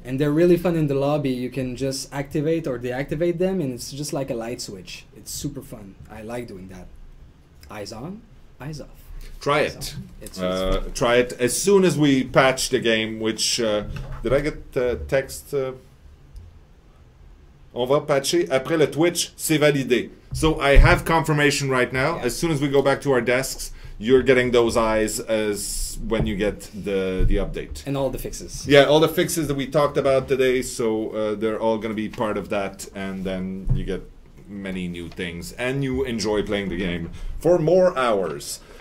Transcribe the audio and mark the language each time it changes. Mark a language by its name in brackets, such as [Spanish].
[English] And they're really fun in the lobby. You can just activate or deactivate them, and it's just like a light switch. It's super fun. I like doing that. Eyes on, eyes off. Try eyes it. Try it as soon as we patch the game, which... did I get text? [French] On va patcher après le Twitch, c'est validé. [English] So I have confirmation right now. Yeah. As soon as we go back to our desks, you're getting those eyes as when you get the update. And all the fixes. Yeah, all the fixes that we talked about today. So they're all going to be part of that. And then you get many new things. And you enjoy playing the game for more hours.